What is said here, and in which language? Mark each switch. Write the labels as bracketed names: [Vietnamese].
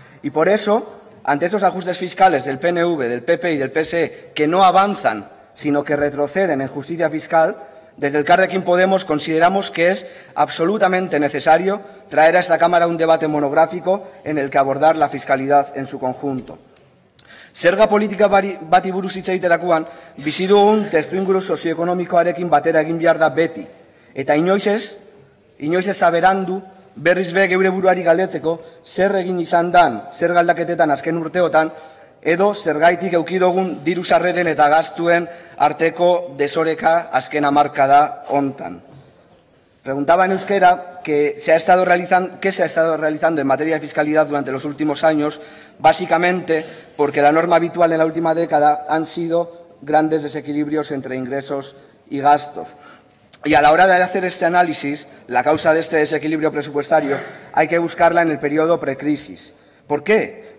[Spanish] Y por eso, ante esos ajustes fiscales del PNV, del PP y del PSE, que no avanzan, sino que retroceden en justicia fiscal, desde Elkarrekin Podemos consideramos que es absolutamente necesario traer a esta Cámara un debate monográfico en el que abordar la fiscalidad en su conjunto. [Basque] Zerga politika bati buruz hitz egiterakoan, bizi dugun testu inguru sozioekonomikoarekin batera egin behar da beti. Eta inoiz ez zaberandu, berriz be geure buruari galdetzeko, zer egin izan dan, zer galdaketetan azken urteotan, edo zergaitik euki dugun diru sarreren eta gastuen arteko desoreka azken hamarkada hontan. [Spanish] Preguntaba en euskera qué se ha estado realizando en materia de fiscalidad durante los últimos años, básicamente porque la norma habitual en la última década han sido grandes desequilibrios entre ingresos y gastos. Y a la hora de hacer este análisis, la causa de este desequilibrio presupuestario hay que buscarla en el periodo precrisis. ¿Por qué?